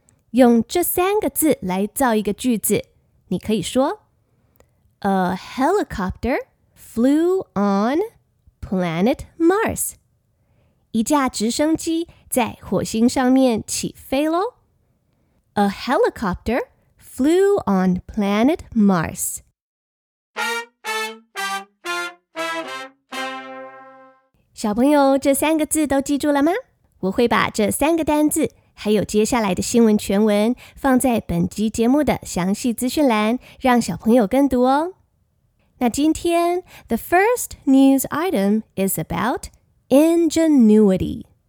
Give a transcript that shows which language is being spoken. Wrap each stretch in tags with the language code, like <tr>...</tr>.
<zh>用这三个字来造一个句子，你可以说</zh> <en>A helicopter flew onPlanet Mars，</en> <zh>一架直升机在火星上面起飞咯。</zh> <en>A helicopter flew on planet Mars.</en> <zh>小朋友，这三个字都记住了吗？我会把这三个单字还有接下来的新闻全文放在本集节目的详细资讯栏，让小朋友跟读哦。那今天</zh> <en>The first news item is about ingenuity。</en>